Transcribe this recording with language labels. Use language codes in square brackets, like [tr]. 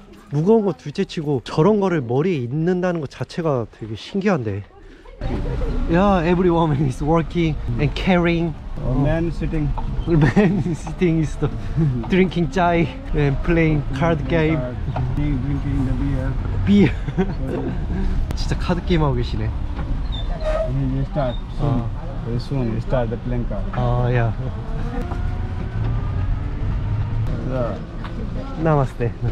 [ko] 무거운 거 둘째 치고 저런 거를 머리에 입는다는 거 자체가 되게 신기한데. [en] Yeah, every woman is working and caring. Man sitting. Man sitting is the drinking chai and playing card game. Drinking the beer. Beer. [ko] 진짜 카드 게임 하고 계시네. [en] We start soon. Very soon we start the playing card. Oh yeah. [hi] Namaste.